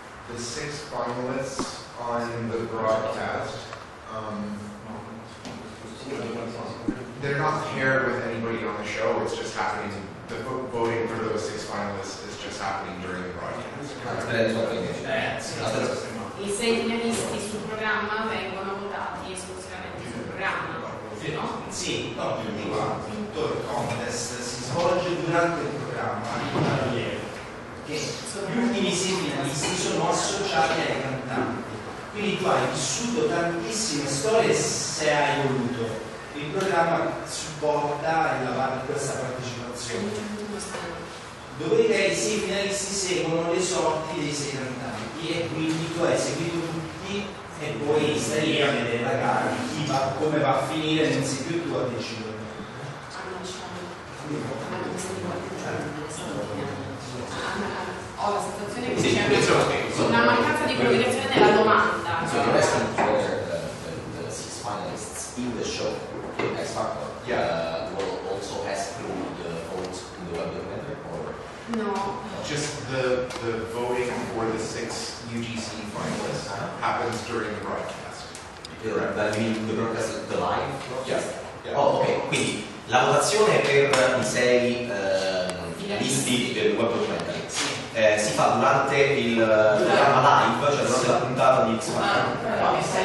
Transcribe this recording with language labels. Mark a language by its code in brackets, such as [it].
[en] The six finalists on the broadcast, they're not paired with anybody on the show, it's just happening, the voting for those six finalists is just happening during the broadcast. That's what I'm saying. I [it] sei finalisti sul programma vengono votati esclusivamente sul programma, no? Sì, proprio tutto il contest si svolge durante il programma, che gli ultimi sei finalisti sono associati ai cantanti, quindi tu hai vissuto tantissime storie se hai voluto. Il programma supporta questa partecipazione. Dove i sei finalisti seguono le sorti dei sei cantanti e quindi tu hai seguito tutti. E poi stai lì a vedere la gara, chi va, come va a finire, non sei più tu a decidere. Ho la sensazione che c'è una mancanza di coordinazione della domanda. [en] So you're asking for the six finalists in the show, as far as will also has through the votes in the web documentary, or? No. Just the voting for the six UGC finalists happens during the broadcast. Correct. That means the broadcast is the live broadcast? Yes. Oh, okay. [it] Quindi, la votazione per i sei finalisti del web documentary si fa durante il programma live, cioè durante la puntata di X-Men.